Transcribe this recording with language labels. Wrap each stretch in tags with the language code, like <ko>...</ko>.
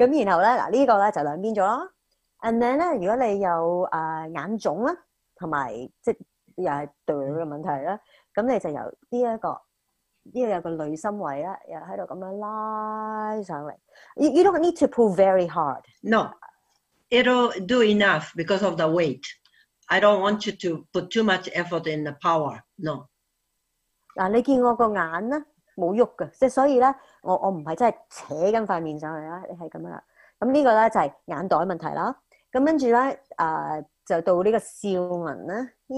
<zh>这个中间这里先上，然后因为它有足够的重量，所以你又不用很大力推，但是它也会有足够的力去帮你，那你就这样如是者，是由眉心上，跟着跨回去，3至6次，我通常做6至8次，然后呢，这个就两边了。</zh> <en>And then</en> <zh>如果你有眼肿，还有就是这样的问题，那你就由这个女心位，又在这样拉上来。</zh> <en>You don't need to pull very hard. No, it'll do enough because of the weight. I don't want you to put too much effort in the power. No.</en> <zh>你见我的眼睛没有动的，所以我不是真的扯上面上来，是这样的。那这个就是眼袋问题。接着就到这个笑纹。</zh>